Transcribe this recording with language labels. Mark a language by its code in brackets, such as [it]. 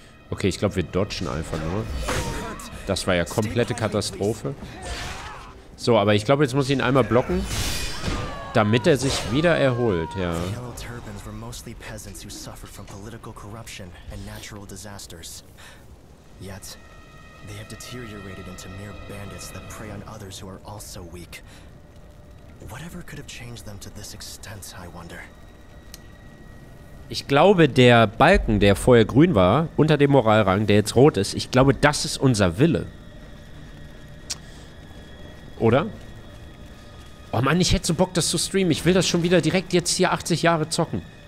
[de] Okay, ich glaube, wir dodgen einfach nur. Das war ja komplette Katastrophe. So, aber ich glaube, jetzt muss ich ihn einmal blocken, damit er sich wieder erholt, ja. [en] Mostly peasants who suffered from political corruption and natural disasters. Yet, they have deteriorated into mere bandits that prey on others who are also weak. Whatever could have changed them to this extent, I wonder. [de] Ich glaube, der Balken, der vorher grün war, unter dem Moralrang, der jetzt rot ist, ich glaube, das ist unser Wille. Oder? Oh Mann, ich hätte so Bock, das zu streamen. Ich will das schon wieder direkt jetzt hier 80 Jahre zocken.